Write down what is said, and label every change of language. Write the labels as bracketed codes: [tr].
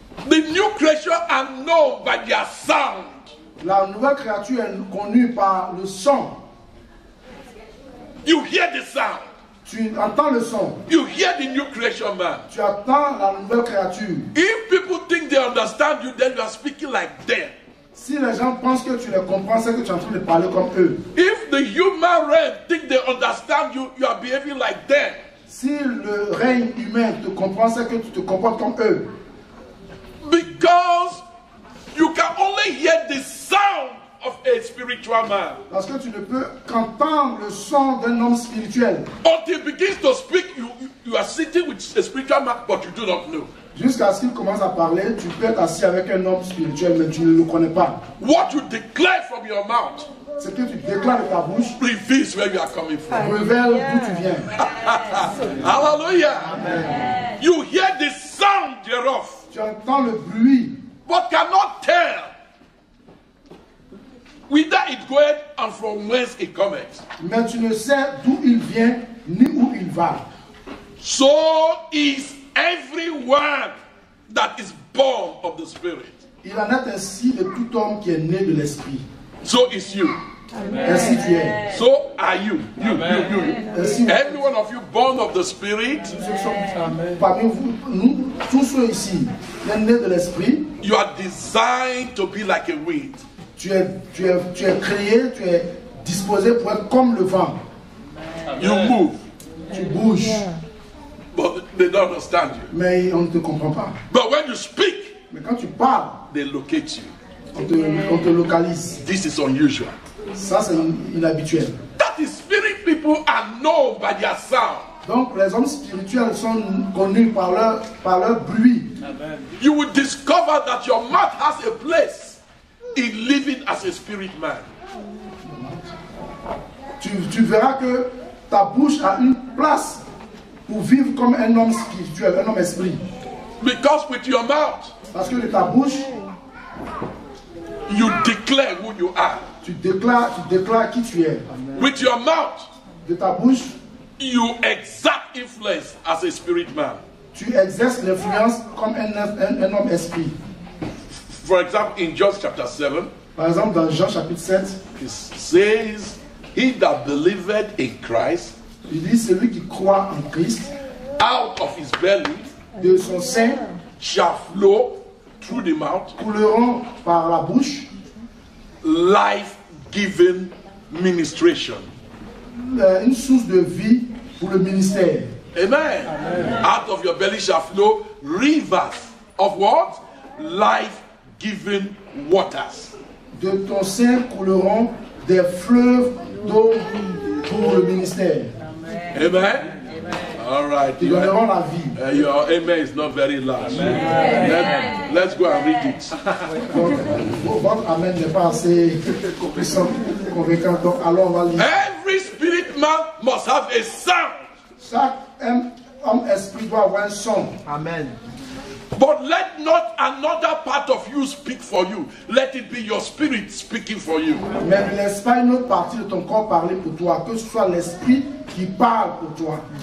[en] The new creature are known by their sound. [fr] La nouvelle créature est connue par le son. [en] You hear the sound. [fr] Tu entends le son. [en] You hear the new creature, man. [fr] Tu entends la nouvelle créature. [en] If people think they understand you, then you are speaking like them. [fr] Si les gens pensent que tu les comprends, c'est que tu es en train de parler comme eux. [en] If the human realm think they understand you, you are behaving like them. [fr] Si le règne humain te comprend, c'est que tu te comportes comme eux. [en] Because you can only hear the sound of a spiritual man. [fr] Parce que tu ne peux qu'entendre le son d'un homme spirituel. [en] Until he begins to speak, you are sitting with a spiritual man, but you do not know. [fr] Jusqu'à ce qu'il commence à parler, tu peux être assis avec un homme spirituel, mais tu ne le connais pas. [en] What you declare from your mouth, [fr] ce que tu déclares de ta bouche, [en] reveals where you are coming from. [fr] Révèle d'où tu viens. [en] Hallelujah. Amen. You hear the sound thereof. [fr] Tu entends le bruit. [en] But cannot tell whether it goeth and from whence it cometh. [fr] Mais tu ne sais d'où il vient ni où il va. [en] So is everyone that is born of the Spirit. [fr] Il en est ainsi de tout homme qui est né de l'Esprit. [en] So is you. [fr] Amen. Ainsi tu es. [en] So are you. You, Amen. You, you. Every one of you born of the Spirit. Amen. [fr] Parmi vous, nous, tous ceux ici, les nés de l'Esprit. [en] You are designed to be like a wind. [fr] Tu es créé, tu es disposé pour être comme le vent. [en] Amen. You move. [fr] Amen. Tu bouges. Yeah. [en] But they don't understand you. [fr] Mais on ne te comprend pas. [en] But when you speak, [fr] mais quand tu parles, [en] they locate you. [fr] On te localise. [en] This is unusual. [fr] Ça c'est inhabituel. [en] That is spirit people are known by their sound. [fr] Donc les hommes spirituels sont connus par leur bruit. [en] Amen. You will discover that your mouth has a place in living as a spirit man. [fr] Tu verras que ta bouche a une place. Pour vivre comme un homme spirituel, un homme esprit. [en] Because with your mouth, [fr] parce que de ta bouche, [en] you declare who you are. [fr] Tu déclares qui tu es. [en] With your mouth, [fr] de ta bouche, [en] you exert influence as a spirit man. [fr] Tu exerces l'influence comme un homme esprit. [en] For example, in John chapter 7, [fr] par exemple dans Jean chapitre 7, [en] it says, "He that believed in Christ." [fr] Il dit, celui qui croit en Christ, [en] out of his belly, [fr] de son sein, [en] shall flow through the mouth, [fr] couleront par la bouche, [en] life-giving ministration. [fr] Une source de vie pour le ministère. [en] Amen. Amen. Out of your belly shall flow rivers of what? Life-giving waters. [fr] De ton sein couleront des fleuves d'eau pour le ministère. [en] Amen. Amen. All right. [fr] Ils donneront la vie. [en] Your amen is not very large. Amen. Amen. Amen. Let's go and read it. [fr] Votre amen n'est pas assez convaincant. Donc, alors on va lire. [en] Every spirit man must have a sound. [fr] Chaque homme esprit doit avoir un son. [en] Amen. But let not another part of you speak for you. Let it be your spirit speaking for you. [fr] Mais ne laisse pas une autre partie de ton corps parler pour toi. Que ce soit l'esprit qui parle pour toi.